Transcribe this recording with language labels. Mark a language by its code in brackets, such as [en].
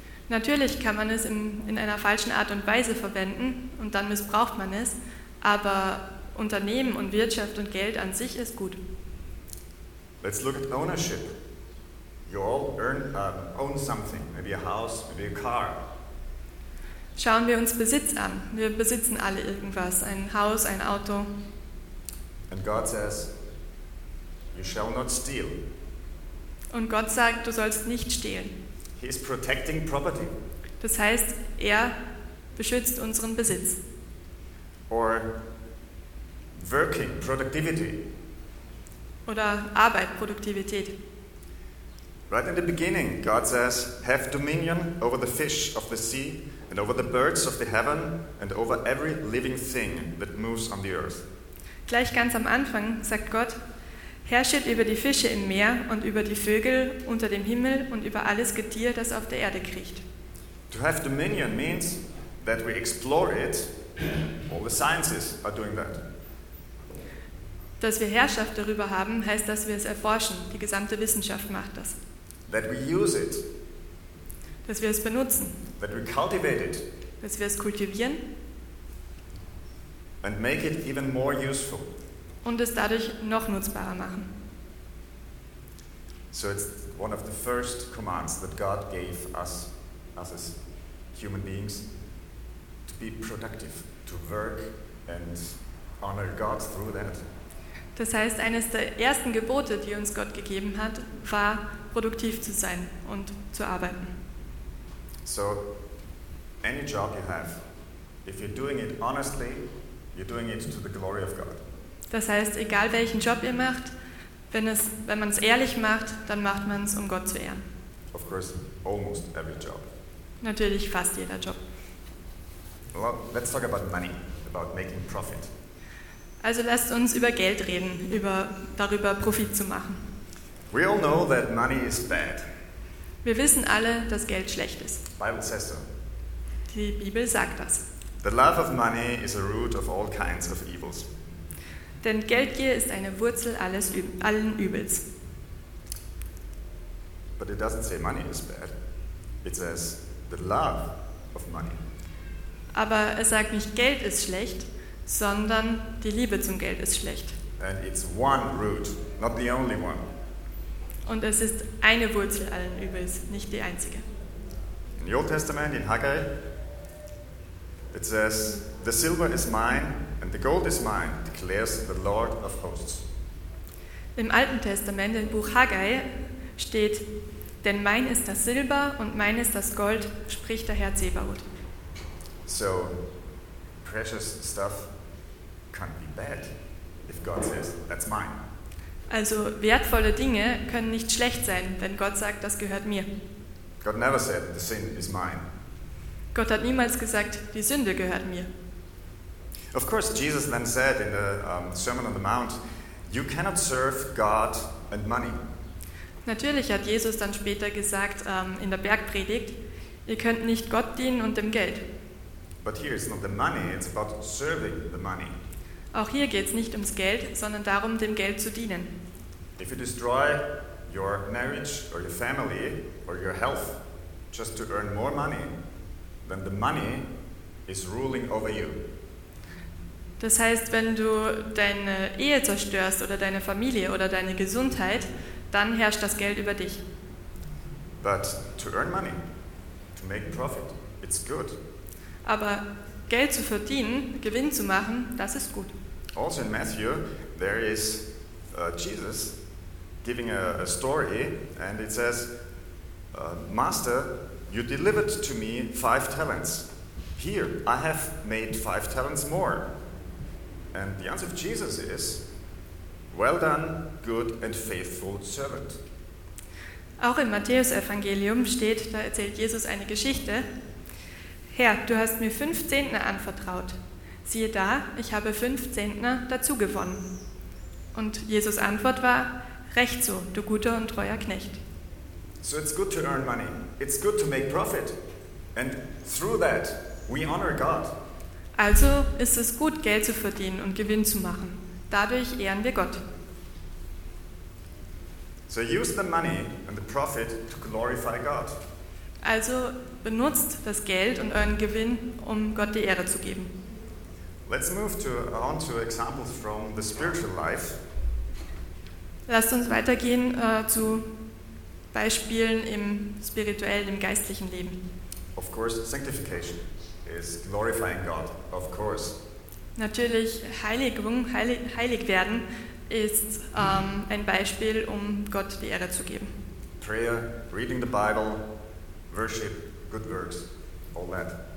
[de] Natürlich kann man es in einer falschen Art und Weise verwenden und dann missbraucht man es, aber Unternehmen und Wirtschaft und Geld an sich ist gut. [en] Let's look at ownership. You all own something, maybe a house, maybe a car. [de] Schauen wir uns Besitz an. Wir besitzen alle irgendwas, ein Haus, ein Auto. [en] And God says, you shall not steal. [de] Und Gott sagt, du sollst nicht stehlen. [en] He is protecting property. [de] Das heißt, er beschützt unseren Besitz. [en] Or working, productivity. [de] Oder Arbeit, Produktivität. [en] Right in the beginning, God says, have dominion over the fish of the sea. And over the birds of the heaven and over every living thing that moves on the earth. [de] Gleich ganz am Anfang sagt Gott, herrscht über die Fische im Meer und über die Vögel unter dem Himmel und über alles Getier, das auf der Erde kriecht. [en] To have dominion means that we explore it. All the sciences are doing that. [de] Dass wir Herrschaft darüber haben, heißt, dass wir es erforschen. Die gesamte Wissenschaft macht das. [en] That we use it. [de] Dass wir es benutzen. [en] That we cultivate it. [de] Dass wir es kultivieren. [en] And make it even more useful. [de] Und es dadurch noch nutzbarer machen. [en] So it's one of the first commands that God gave us, us as human beings, to be productive, to work and honor God through that. [de] Das heißt, eines der ersten Gebote, die uns Gott gegeben hat, war, produktiv zu sein und zu arbeiten. [en] So, any job you have, if you're doing it honestly, you're doing it to the glory of God. [de] Das heißt, egal welchen Job ihr macht, wenn man es ehrlich macht, dann macht man es, um Gott zu ehren. [en] Of course, almost every job. [de] Natürlich fast jeder Job. [en] Well, let's talk about money, about making profit. [de] Also lasst uns über Geld reden, darüber Profit zu machen. [en] We all know that money is bad. [de] Wir wissen alle, dass Geld schlecht ist. [en] Bible says so. [de] Die Bibel sagt das. [en] The love of money is a root of all kinds of evils. [de] Denn Geldgier ist eine Wurzel allen Übels. [en] But it doesn't say money is bad. It says the love of money. [de] Aber es sagt nicht Geld ist schlecht, sondern die Liebe zum Geld ist schlecht. [en] And it's one root, not the only one. [de] Und es ist eine Wurzel allen Übels, nicht die einzige. [en] In the Old Testament, in Haggai, it says, the silver is mine and the gold is mine, declares the Lord of hosts. [de] Im Alten Testament, im Buch Haggai, steht: Denn mein ist das Silber und mein ist das Gold, spricht der Herr Zebaoth. [en] So, precious stuff can be bad, if God says, that's mine. [de] Also, wertvolle Dinge können nicht schlecht sein, wenn Gott sagt, das gehört mir. [en] God never said, the sin is mine. [de] Gott hat niemals gesagt, die Sünde gehört mir. [en] Of course, Jesus then said in the Sermon on the Mount, you cannot serve God and money. [de] Natürlich hat Jesus dann später gesagt, in der Bergpredigt, ihr könnt nicht Gott dienen und dem Geld. [en] But here it's not the money, it's about serving the money. [de] Auch hier geht es nicht ums Geld, sondern darum, dem Geld zu dienen. [en] If you destroy your marriage or your family or your health just to earn more money, then the money is ruling over you. [de] Das heißt, wenn du deine Ehe zerstörst oder deine Familie oder deine Gesundheit, dann herrscht das Geld über dich. [en] But to earn money, to make profit, it's good. [de] Aber Geld zu verdienen, Gewinn zu machen, das ist gut. [en] Also in Matthew, there is Jesus giving a story, and it says, Master, you delivered to me 5 talents. Here, I have made 5 talents more. And the answer of Jesus is, well done, good and faithful servant. [de] Auch im Matthäus-Evangelium steht, da erzählt Jesus eine Geschichte. Herr, du hast mir 5 Zehntner anvertraut. Siehe da, ich habe 5 Zehntner dazu gewonnen. Und Jesus' Antwort war, recht so, du guter und treuer Knecht. [en] So it's good to earn money. It's good to make profit. And through that, we honor God. [de] Also ist es gut, Geld zu verdienen und Gewinn zu machen. Dadurch ehren wir Gott. [en] So use the money and the profit to glorify God. [de] Also benutzt das Geld und euren Gewinn, um Gott die Ehre zu geben. [en] Let's move on to examples from the spiritual life. [de] Lasst uns weitergehen zu Beispielen im spirituellen, im geistlichen Leben. [en] Of course, sanctification is glorifying God, of course. [de] Natürlich, heilig werden ist ein Beispiel, um Gott die Ehre zu geben. [en] Prayer, reading the Bible, worship, good works, all that.